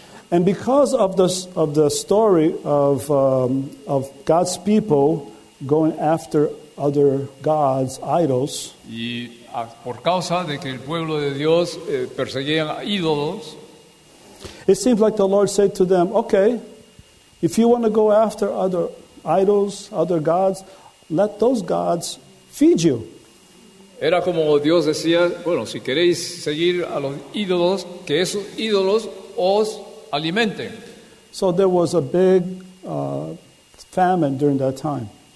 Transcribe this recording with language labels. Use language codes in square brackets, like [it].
[en] And because of the story of God's people going after other gods, idols. [es] Y por causa de que el pueblo de Dios perseguían ídolos. [en] It seems like the Lord said to them, "Okay, if you want to go after other idols, other gods, let those gods feed you." [es] Era como Dios decía, bueno, si queréis seguir a los ídolos, que esos ídolos os alimenten. [en] So there was a big famine during that time.